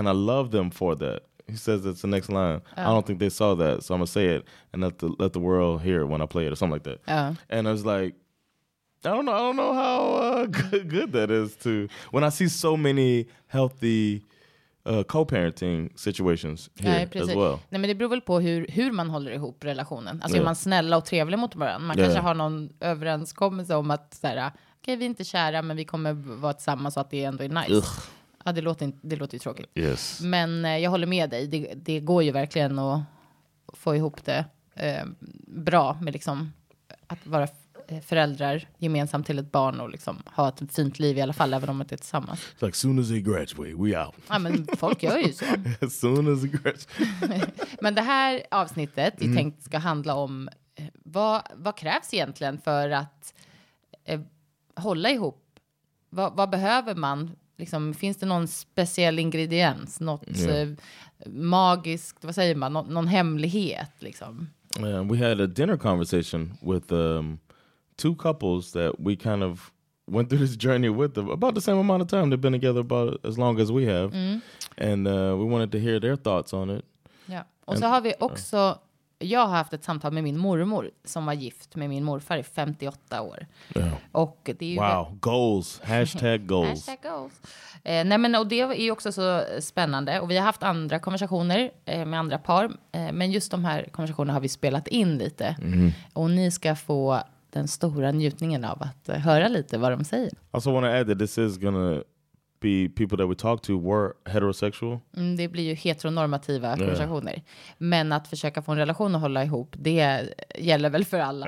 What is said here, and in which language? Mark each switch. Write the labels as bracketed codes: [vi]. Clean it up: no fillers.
[en] And I love them for that. He says that's the next line. I don't think they saw that, so I'm gonna say it and let the world hear it when I play it or something like that. And I was like, I don't know how good that is to when I see so many healthy co-parenting situations here as well. [sv] Nej, men det beror väl på hur man håller ihop relationen. Alltså är man snälla och trevlig mot varandra. Man kanske har någon överenskommelse om att så här, okej, vi är inte kära men vi kommer vara tillsammans så att det ändå är nice. Ugh. Ja, det låter ju tråkigt. [en] Yes. [sv] Men jag håller med dig. Det går ju verkligen att få ihop det bra med liksom att vara föräldrar gemensamt till ett barn och liksom ha ett fint liv i alla fall även om det är tillsammans. [en] It's like soon as they graduate, we out. [sv] Ja, men folk gör ju så. [en] As soon as they graduate. [sv] Men det här avsnittet är tänkt ska handla om vad krävs egentligen för att hålla ihop? Vad behöver man? Liksom, finns det någon speciell ingrediens? Något magiskt, vad säger man? Någon hemlighet? Liksom? [en] We had a dinner conversation with two couples that we kind of went through this journey with them about the same amount of time. They've been together about as long as we have. Mm. And we wanted to hear their thoughts on it. [sv] Ja. Och så har vi också jag har haft ett samtal med min mormor som var gift med min morfar i 58 år. [en] Yeah. [sv] Och det är ju [en] wow, goals. Hashtag goals. Hashtag goals. [sv] Nej, men, och det är ju också så spännande. Och vi har haft andra konversationer med andra par. Men just de här konversationerna har vi spelat in lite. Mm. Och ni ska få den stora njutningen av att höra lite vad de säger. [en] Also want to add that this is gonna be people that we talk to were heterosexual. [sv] Mm, det blir ju heteronormativa konversationer. Men att försöka få en relation att hålla ihop, det gäller väl för alla.